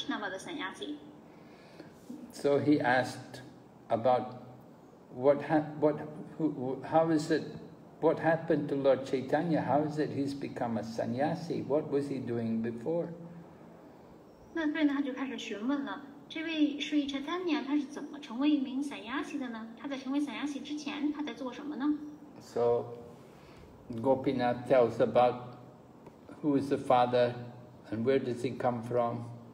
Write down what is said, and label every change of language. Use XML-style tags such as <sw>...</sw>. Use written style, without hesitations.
<zh>所以呢，当萨巴巴玛巴达查尔听到这一句话以后呢，他就明白了，哦，所以查坦尼玛巴布他是一位瓦什纳巴的三亚子。</zh> <en>So he asked about what happened to Lord Chaitanya? How is it he's become a sannyasi? What was he doing before?</en> <zh>那所以呢，他就开始询问了，这位所以查坦尼他是怎么成为一名三亚子的呢？他在成为三亚子之前，他在做什么呢？</zh> <en>So Gopinath tells about who is the father and where does he come from.</en>